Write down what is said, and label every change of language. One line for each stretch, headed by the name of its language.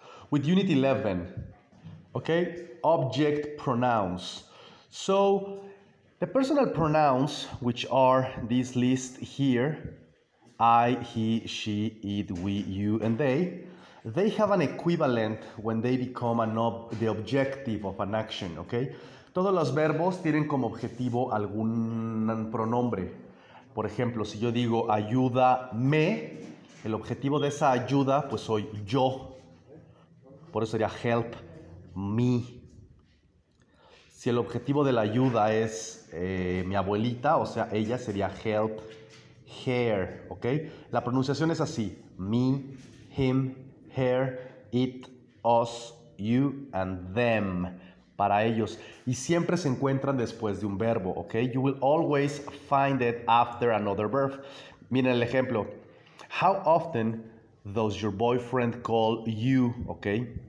English: with unit 11, okay, object pronouns. So the personal pronouns, which are this list here, I, he, she, it, we, you, and they have an equivalent when they become the objective of an action, okay?
Spanish: Todos los verbos tienen como objetivo algún pronombre. Por ejemplo, si yo digo ayúdame, el objetivo de esa ayuda, pues soy yo. Por eso sería
English: help me.
Spanish: Si el objetivo de la ayuda es mi abuelita, o sea, ella sería
English: help her,
Spanish: ¿ok? La pronunciación es así.
English: Me, him, her, it, us, you, and them.
Spanish: Para ellos, y siempre se encuentran después de un verbo, ¿ok?
English: You will always find it after another verb.
Spanish: Miren el ejemplo.
English: How often does your boyfriend call you, ¿ok?